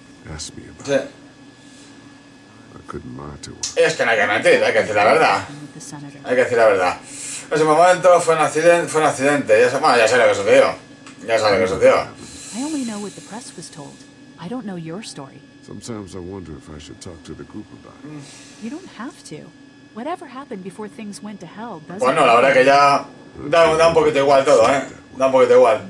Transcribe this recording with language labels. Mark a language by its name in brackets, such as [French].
[English] Ask me about it. I couldn't lie to her. [Spanish] Es que no hay que mentir, hay que decir la verdad. En ese momento fue un accidente. Ya sé lo que sucedió. [English] I only know what the press was told. I don't know your story. Sometimes I wonder if I should talk to the group about it. You don't have to. Whatever happened before things went to hell, doesn't. [Spanish] Bueno, la verdad que ya da un poquito igual todo, Da un poquito igual.